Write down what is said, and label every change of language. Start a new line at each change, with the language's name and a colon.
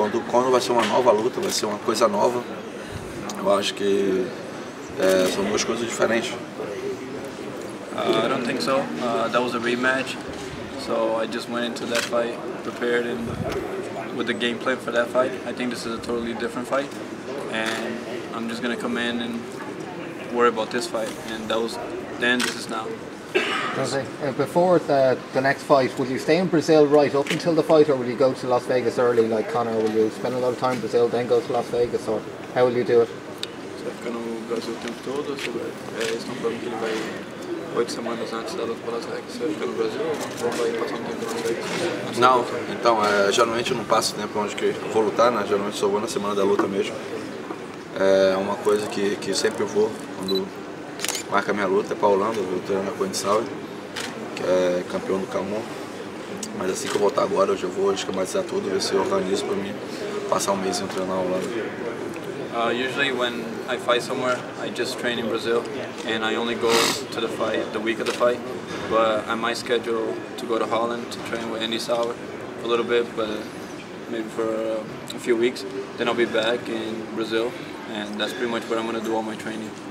Portuguese: Quando vai ser uma nova luta, vai ser uma coisa nova, eu acho que são duas coisas diferentes.
English: I don't think so. That was a rematch, so I just went into that fight prepared and with the game plan for that fight. I think this is a totally different fight, and I'm just gonna come in and worry about this fight. And that was then. This is now. Before the next fight, would you stay in Brazil right up until the fight, or would you go to Las Vegas early, like Conor? Will you spend a lot of time in Brazil, then go to Las Vegas, or how will you do it?
Portuguese: Ficando no Brasil o tempo todo, estão falando que ele vai 8 semanas antes da luta para Las Vegas. Você vai ficar no Brasil ou vai passar um tempo em Las Vegas? Não, então, geralmente eu não passo tempo onde que eu vou lutar, né? Geralmente só vou na semana da luta mesmo. É uma coisa que sempre eu vou, quando marca minha luta, é para Holanda, eu vou treinar na Coenissauer, que é campeão do Camon. Mas assim que eu voltar agora, eu já vou esquematizar tudo, ver se eu organizo para mim passar um mês em treinar na Holanda.
English: Usually when I fight somewhere, I just train in Brazil, and I only go to the fight the week of the fight. But I might schedule to go to Holland to train with Andy Sauer a little bit, but maybe for a few weeks. Then I'll be back in Brazil, and that's pretty much what I'm going to do all my training.